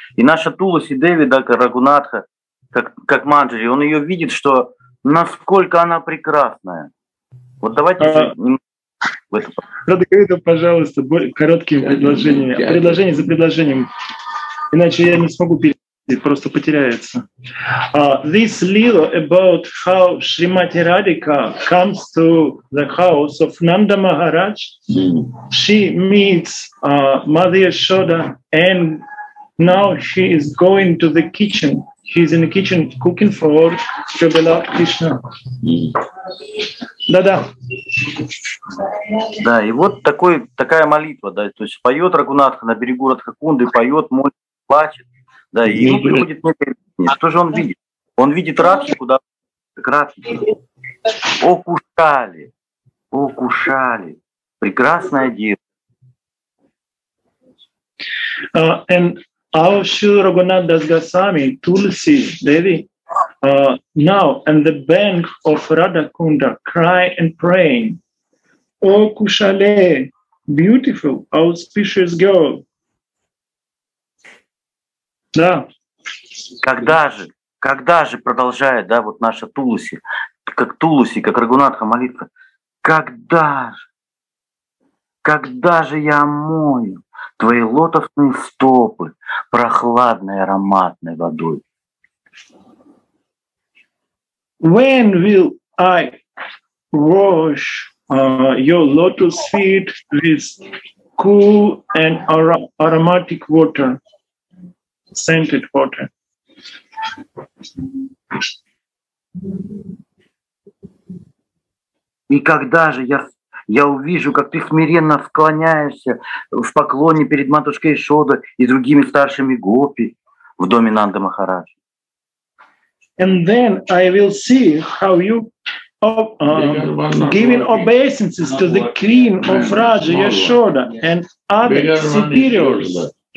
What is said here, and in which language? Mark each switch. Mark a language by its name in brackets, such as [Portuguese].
[Russian] И наша Туласи Деви, да, Рагунатха, как Манджари, он ее видит, что насколько она прекрасная. Вот давайте немного. Пожалуйста, короткие предложения. Предложение за предложением. Иначе я не смогу перейти. Просто потеряется. [English] This lila about how Shrimati Radhika comes to the house of Nanda Maharaj. She meets Mother Yashoda, and now she is going to the kitchen. She's in the kitchen cooking for Shrivala Krishna. [Russian] Да-да. Да, и вот такая молитва, да, то есть поет Рагунатха на берегу Радхакунды, поет, молит, плачет. Да, и ему приходит некое. Что же он видит? Он видит Радхику, да? Радхику. О, Кушали! О, Кушали! Прекрасная девушка. [English] And our Shri Raghunatha Gosvami, Tulsi Devi, now on the bank of Radhakunda, cry and pray. О, Кушали! Beautiful, auspicious girl. [Russian] Да. Когда же продолжает, да, вот наша Туласи, как Рагунатха молитва, когда же я омою твои лотосные стопы прохладной ароматной водой? [English] When will I wash your lotus feet with cool and aromatic water? Scented water. [Russian] И когда же я увижу, как ты смиренно склоняешься в поклоне перед матушкой Ишода и другими старшими гопи в доме Нанды Махараджи? [English] And then I will see how you giving obeisances to the queen of Raja Yashoda and other superiors.